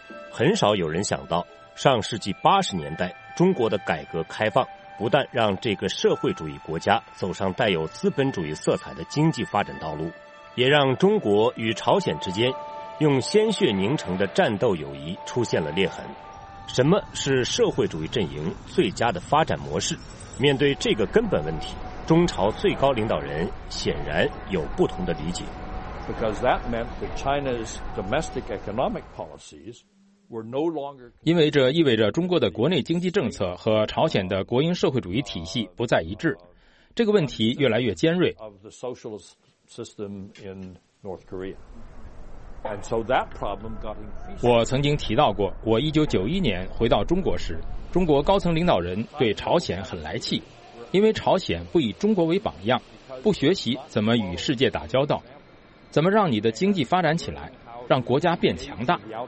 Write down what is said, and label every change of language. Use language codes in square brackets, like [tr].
[zh] 很少有人想到，上世纪八十年代中国的改革开放不但让这个社会主义国家走上带有资本主义色彩的经济发展道路，也让中国与朝鲜之间用鲜血凝成的战斗友谊出现了裂痕。什么是社会主义阵营最佳的发展模式？面对这个根本问题，中朝最高领导人显然有不同的理解。 [en] Because that meant that China's domestic economic policies were no longer. [zh] 因为这意味着中国的国内经济政策和朝鲜的国营社会主义体系不再一致，这个问题越来越尖锐。 [en] Of the socialist system in North Korea. And so、that problem got increased. [zh] 我曾经提到过，我1991年回到中国时，中国高层领导人对朝鲜很来气，因为朝鲜不以中国为榜样，不学习怎么与世界打交道，怎么让你的经济发展起来，让国家变强大。